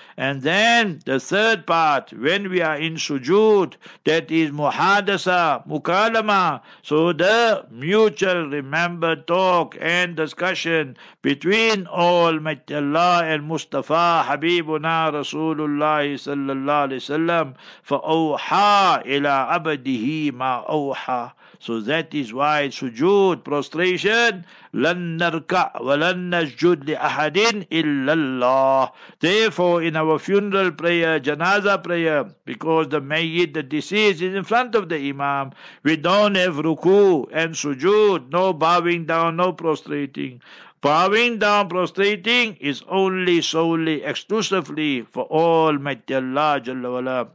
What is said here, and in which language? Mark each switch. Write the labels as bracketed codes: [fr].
[en] And then, the third part, when we are in sujood, that is muhadasa, mukalama, so the mutual remembered talk and discussion between Almighty Allah and Mustafa Habibuna Rasulullah sallallahu alayhi wa sallam, [ar] fa awha ila abadihi ma awha. [en] So that is why sujood, prostration, [ar] لَن نَرْكَعْ وَلَن نَسْجُدْ لِأَحَدٍ إِلَّا اللَّهِ. [en] Therefore, in our funeral prayer, janaza prayer, because the mayyid, the deceased, is in front of the imam, we don't have ruku and sujood, no bowing down, no prostrating. Bowing down, prostrating is only, solely, exclusively for Almighty Allah Jalla Wala.